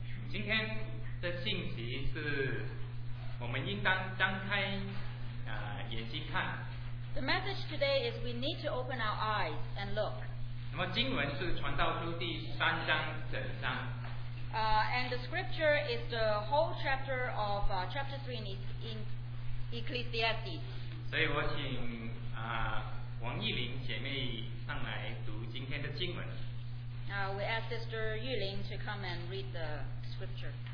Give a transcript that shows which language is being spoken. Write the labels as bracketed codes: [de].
[zh] 今天的信息是我们应当张开眼睛看。 [en] The message today is we need to open our eyes and look. [zh] 那么经文是传道书第三章整章。 [en] And the scripture is the whole chapter of chapter 3 in Ecclesiastes. [zh] 所以我请王义林姐妹上来读今天的经文。 [en] We ask Sister Yuling to come and read the scripture.